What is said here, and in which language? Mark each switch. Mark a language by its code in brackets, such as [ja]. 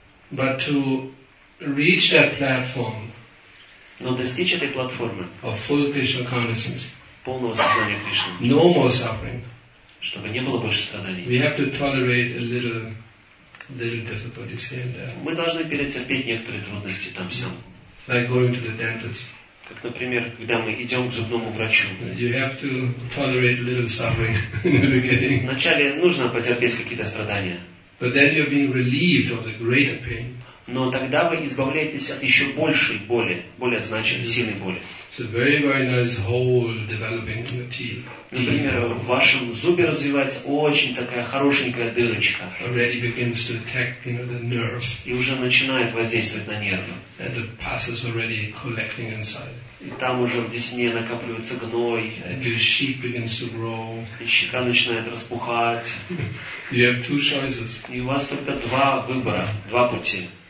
[en] But to reach that platform, [ru] но достичь этой платформы, [en] of full Krishna consciousness, [ru] полного сознания Кришны, [en] no more suffering, [ru] чтобы не было больше страданий, [en] we have to tolerate a little difficulties here and there. [ru] Мы должны перетерпеть некоторые трудности там сам. [en] Like going to the dentist. [ru] Как, например, когда мы идем к зубному врачу. [en] You have to tolerate a little suffering in the beginning. [ru] Вначале нужно потерпеть какие-то страдания. [en] But then you're being relieved of the greater pain. [ru] Но тогда вы избавляетесь от еще большей боли, более значимой, сильной боли. [en] It's a very, very nice hole developing in the teeth. [ru] Например, в вашем зубе развивается очень такая хорошенькая дырочка. [en] Already begins to attack, you know, the nerve. [ru] И уже начинает воздействовать на нервы. [en] And the pus is already collecting inside. [ru] И там уже в десне накапливается гной. [en] And your sheep begins to grow. [ru] И щека начинает распухать. [en] You have two choices. [ru] И у вас только два выбора, два пути.